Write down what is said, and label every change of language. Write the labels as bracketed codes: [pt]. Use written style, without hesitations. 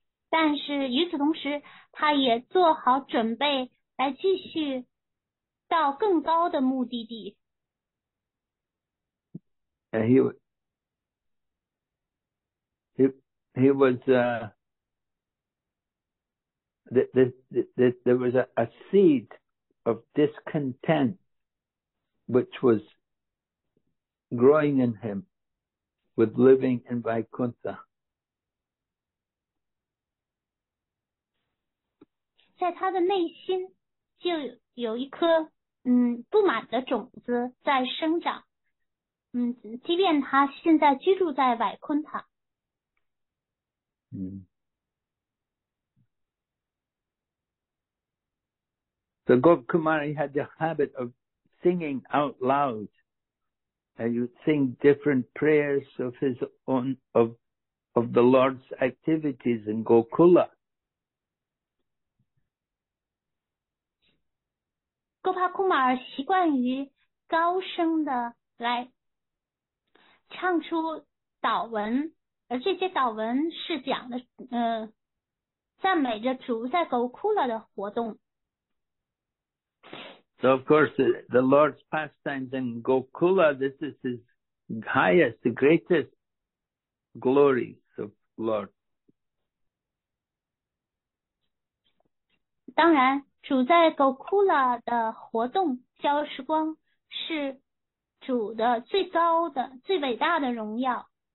[zh] 但是与此同时，他也做好准备来继续到更高的目的地。 [en] And there was a seed of discontent which was growing in him with living in Vaikuntha. [zh] 在他的内心就有一颗不满的种子在生长，即便他现在居住在瓦昆塔。 [en] So Gop Kumar, he had the habit of singing out loud. And he would sing different prayers of his own, of the Lord's activities in Gokula. [zh] 多帕库马尔习惯于高声的来唱出祷文，而这些祷文是讲的赞美着主在狗哭了的活动。 [en] So of course, the Lord's pastimes in Gokula, this is his highest, the greatest glory of the Lord. [zh] 当然，主在Gokula的活动消时光是主的最高的、最伟大的荣耀。